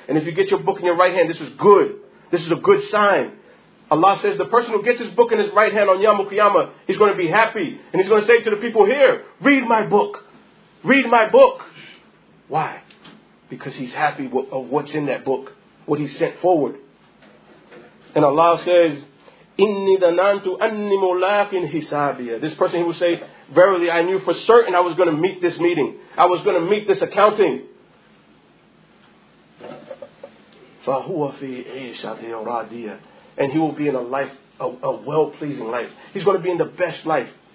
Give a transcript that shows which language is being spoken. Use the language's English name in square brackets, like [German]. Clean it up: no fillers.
[English] And if you get your book in your right hand, this is good. This is a good sign. Allah says the person who gets his book in his right hand on Yawm al-Qiyamah, he's going to be happy. And he's going to say to the people here, read my book. Read my book. Why? Because he's happy of what's in that book. What he sent forward. [Arabic] And Allah says, إِنِّي ذَنَنْتُ أَنِّي مُلَاقٍ حِسَابِيَةً. [English] This person, he will say, verily, I knew for certain I was going to meet this meeting. I was going to meet this accounting. [Arabic] فَهُوَ فِي عِيشَةٍ رَاضِيَةً. [English] And he will be in a life, a well-pleasing life. He's going to be in the best life.